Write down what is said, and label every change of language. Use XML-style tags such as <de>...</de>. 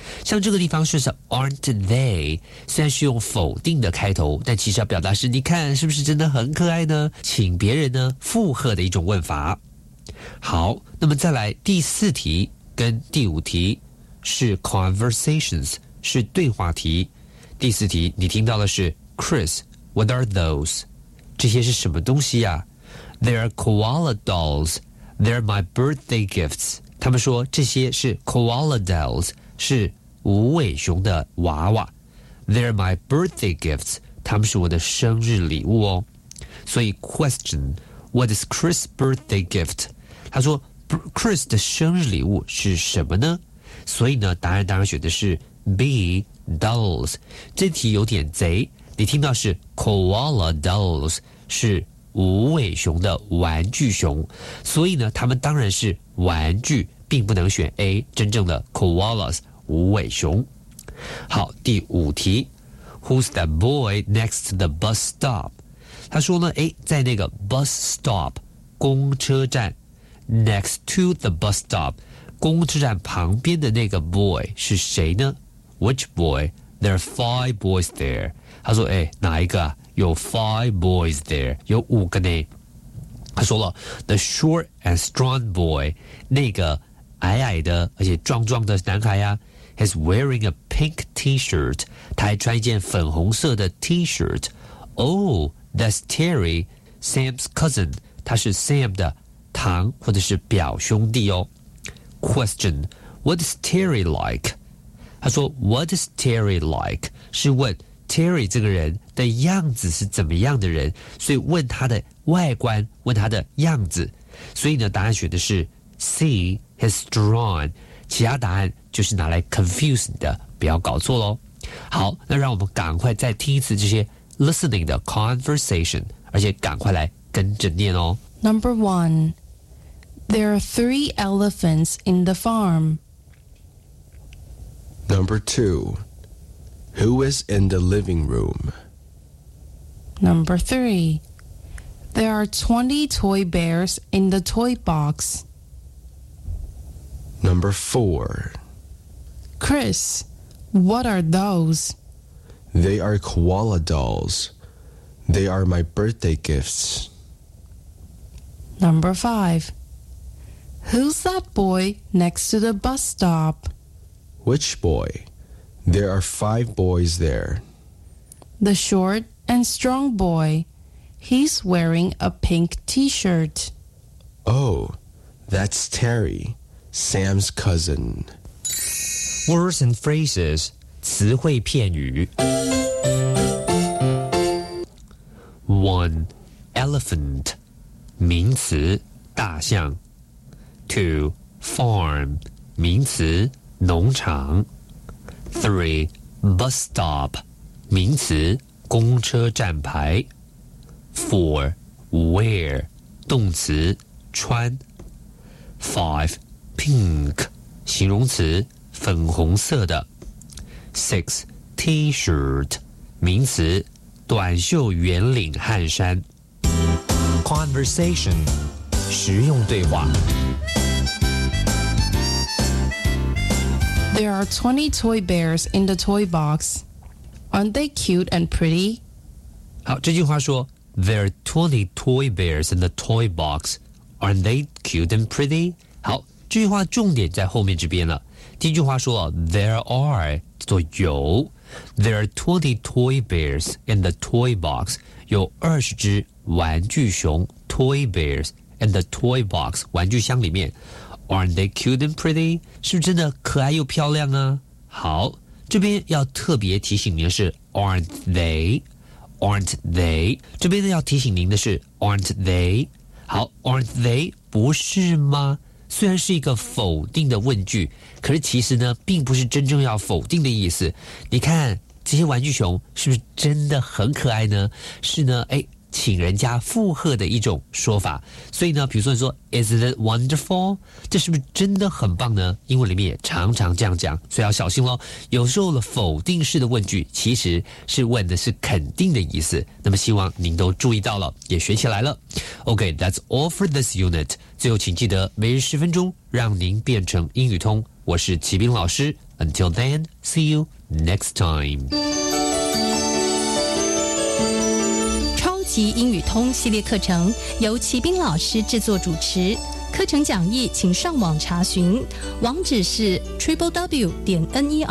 <zh>像这个地方是</zh> <en>Aren't they？</en> <zh>虽然是用否定的开头，但其实要表达是你看是不是真的很可爱呢？请别人呢附和的一种问法。好，那么再来第四题跟第五题是 conversations， 是对话题。第四题你听到的是</zh> <en>Chris， What are those？</en> <zh>这些是什么东西呀 ？</zh> <en>They are koala dolls. They're my birthday gifts.</en> <zh>他们说这些是 koala dolls， 是无尾熊的娃娃。</zh> <en>They're my birthday gifts，</en> <zh>他们是我的生日礼物哦。</zh> <en>所以 question， what is Chris' birthday gift？</en> <zh>他说 Chris 的生日礼物是什么呢？所以呢，答案当然选的是 B dolls。这题有点贼，你听到是 koala dolls， 是无尾熊的玩具熊，所以呢，他们当然是玩具，并不能选 A， 真正的 koalas 无尾熊。好，第五题</zh> <en>，Who's that boy next to the bus stop？</en> <zh>他说呢，哎，在那个 bus stop 公车站 ，</zh> <en>next to the bus stop</en> <zh>公车站旁边的那个 boy 是谁呢 ？</zh> <en>Which boy？ There are five boys there。</en> <zh>他说，哎，哪一个啊？有</zh> <en>five boys there，</en> <zh>有五个呢。他说了 ，</zh> <en>the short and strong boy，</en> <zh>那个矮矮的而且壮壮的男孩呀。</zh> <en>He's wearing a pink T-shirt.</en> <zh>他还穿一件粉红色的 T-shirt.</zh> <en>Oh, that's Terry, Sam's cousin.</en> <zh>他是 Sam 的堂或者是表兄弟哦。</zh> <en>Question, what is Terry like?</en> <zh>他说</zh> <en>what is Terry like?</en> <zh>是问 Terry 这个人的样子是怎么样的人，所以问他的外观，问他的样子。所以呢，答案选的是 C,</zh> <en>he's drawn.</en> <zh>其他答案就是拿来 confuse 你的，不要搞错咯。好，那让我们赶快再听一次这些 listening 的 conversation， 而且赶快来跟着念哦。</zh> <en>Number one, there are three elephants in the farm. Number two, who is in the living room? Number three, there are 20 toy bears in the toy box. Number four. Chris, what are those? They are koala dolls. They are my birthday gifts. Number five. Who's that boy next to the bus stop? Which boy? There are five boys there. The short and strong boy. He's wearing a pink T-shirt. Oh, that's Terry. Sam's cousin. Words and phrases,</en> <zh>词汇片语。</zh> <en>1.</en> <zh>Elephant, 名词大象。2. Farm, 名词农场。3. Bus stop, 名词公车站牌。 4. Wear, 动词穿。5. Pink, 形容词粉红色的。 6. T-shirt, 名词短袖圆领汗衫。 Conversation, 实用对话。</zh> <en>There are 20 toy bears in the toy box. Aren't they cute and pretty?</en> <zh>好，这句话说</zh> <en>There are 20 toy bears in the toy box. Aren't they cute and pretty?</en> <zh>好，这句话重点在后面这边了。第一句话说</zh> <en>There are</en> <zh>叫做有</zh> <en>There are 20 toy bears in the toy box</en> <zh>有二十只玩具熊</zh> <en>Toy bears in the toy box</en> <zh>玩具箱里面</zh> <en>Aren't they cute and pretty?</en> <zh>是不是真的可爱又漂亮啊？好，这边要特别提醒您的是</zh> <en>Aren't they? Aren't they?</en> <zh>这边要提醒您的是</zh> <en>Aren't they?</en> <zh>好，</zh> <en>Aren't they?</en> <zh>不是吗？虽然是一个否定的问句，可是其实呢，并不是真正要否定的意思。你看这些玩具熊是不是真的很可爱呢？是呢，哎，请人家附和的一种说法。所以呢，比如说你说</zh> <en>Isn't it wonderful?</en> <zh>这是不是真的很棒呢？英文里面也常常这样讲，所以要小心咯。有时候的否定式的问句其实是问的是肯定的意思。那么希望您都注意到了，也学起来了。</zh> <en>OK, that's all for this unit.</en> <zh>最后请记得每日十分钟，让您变成英语通。我是齐斌老师。</zh> <en>Until then, see you next time.</en> <zh>英语通系列课程由齐斌老师制作主持，课程讲义请上网查询，网址是 www.ner.gov.tw。</zh>